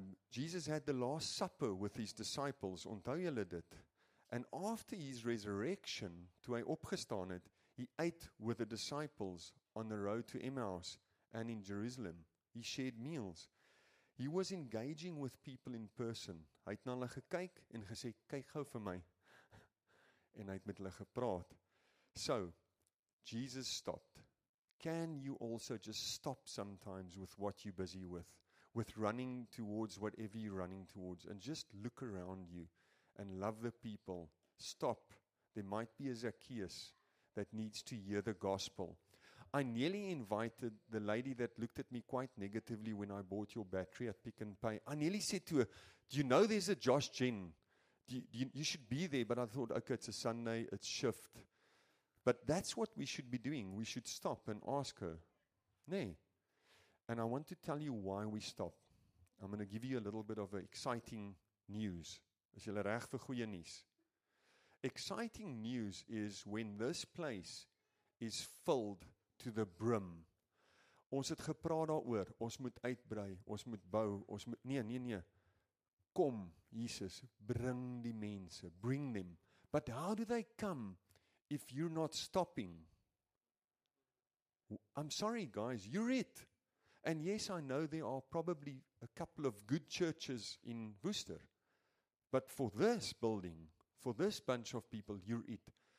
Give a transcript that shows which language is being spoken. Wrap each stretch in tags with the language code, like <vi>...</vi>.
<en>Jesus had the last supper with his disciples,</en> <af>onthou julle dit?</af> <en>And after his resurrection,</en> <af>toe hy opgestaan het,</af> <en>he ate with the disciples on the road to Emmaus and in Jerusalem. He shared meals. He was engaging with people in person.</en> <af>Hy het na hulle gekyk en gesê, kyk gou vir my. En hy het met hulle gepraat.</af> <en>So, Jesus stopped. Can you also just stop sometimes with what you're busy with? With running towards whatever you're running towards. And just look around you and love the people. Stop. There might be a Zacchaeus that needs to hear the gospel. I nearly invited the lady that looked at me quite negatively when I bought your battery at Pick and Pay. I nearly said to her, do you know there's a Josh Jen? You should be there. But I thought, okay, it's a Sunday, it's shift. But that's what we should be doing. We should stop and ask her. Nay. And I want to tell you why we stop. I'm going to give you a little bit of exciting news.</en> <af>Is julle reg vir goeie nuus?</af> <en>Exciting news is when this place is filled to the brim.</en> <af>Ons het gepraat daaroor, ons moet uitbrei, ons moet bou, ons moet nee. Kom, Jesus, bring die mense,</af> <en>bring them. But how do they come if you're not stopping? I'm sorry guys, you're it. And yes, I know there are probably a couple of good churches in Wooster. But for this building, for this bunch of people, you're it.</en>